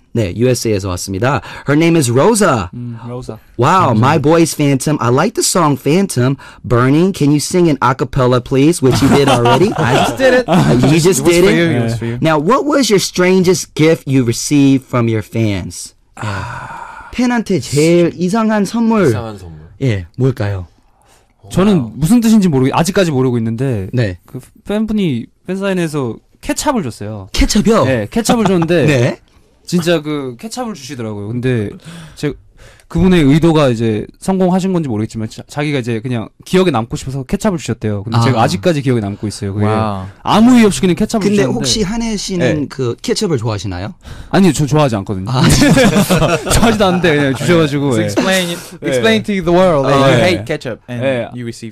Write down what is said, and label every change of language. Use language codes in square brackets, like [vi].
[ko] 네, USA에서 왔습니다. [en] Her name is Rosa. Rosa. Wow, my boy's Phantom. I like the song Phantom. Burning, can you sing an acapella, please? Which you did already. I just did it. You just did it? It was for you. Yeah. Now, what was your strangest gift you received from your fans? [ko] 팬한테 제일 이상한 선물. 이상한 선물. 예, 뭘까요? 저는 무슨 뜻인지 아직까지 모르고 있는데, 네. 그 팬분이 팬사인회에서 케첩을 줬어요. 케첩이요? 네, 케첩을 줬는데, 네. 진짜 그 케첩을 주시더라고요. 근데 그분의 의도가 이제 성공하신 건지 모르겠지만 자기가 이제 그냥 기억에 남고 싶어서 케첩을 주셨대요. 근데 제가 아직까지 기억에 남고 있어요. 그게 아무 이유 없이 그냥 케첩을 근데 주셨는데. 근데 혹시 한혜 씨는 네. 그 케첩을 좋아하시나요? 아니요, 저 좋아하지 않거든요. 아, 좋아하지도 않는데 그냥 주셔가지고. [en] So explain to the world that you hate ketchup and you receive.